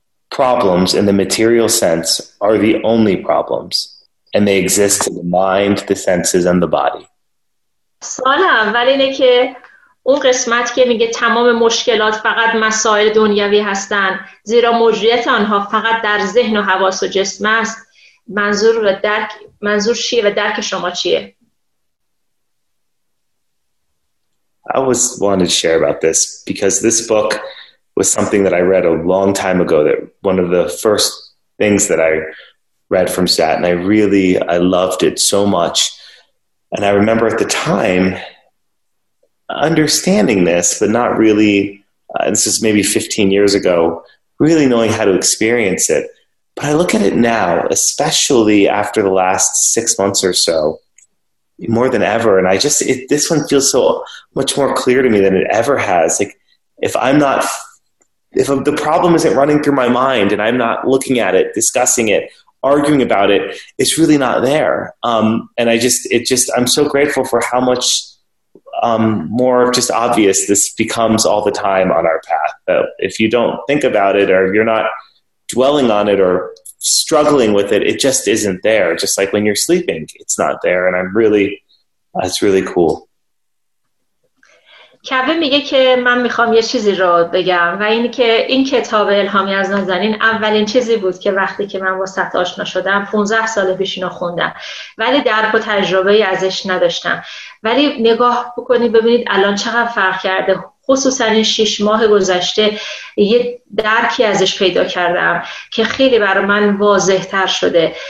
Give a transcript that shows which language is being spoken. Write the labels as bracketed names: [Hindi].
[English] Problems in the material sense are the only problems, and they exist in the mind, the senses, and the body. [Persian] سوال اول اینه که اون قسمت که میگه تمام مشکلات فقط مسائل دنیوی هستن زیرا موجودیت آنها فقط در ذهن و حواس و جسم است، منظور و درک منظور چیه و درک شما چیه؟ [English] I was wanted to share about this because this book was something that I read a long time ago, that one of the first things that I read from Stat, and I loved it so much. And I remember at the time understanding this, but not really, this is maybe 15 years ago, really knowing how to experience it. But I look at it now, especially after the last 6 months or so, more than ever. And I just, this one feels so much more clear to me than it ever has. Like if the problem isn't running through my mind and I'm not looking at it, discussing it, arguing about it, it's really not there. And I'm so grateful for how much more just obvious this becomes all the time on our path. So if you don't think about it or you're not dwelling on it or struggling with it, it just isn't there. Just like when you're sleeping, it's not there. And it's really cool. [Persian] کبه میگه که من میخوام یه چیزی رو بگم و این که این کتاب الهامی از نازنین اولین چیزی بود که وقتی که من با سطح آشنا شدم 15 سال پیش اینو خوندم ولی درک و تجربه ای ازش نداشتم. ولی نگاه بکنید ببینید الان چقدر فرق کرده، خصوصا این 6 ماه گذشته یه درکی ازش پیدا کردم که خیلی برای من واضح تر شده.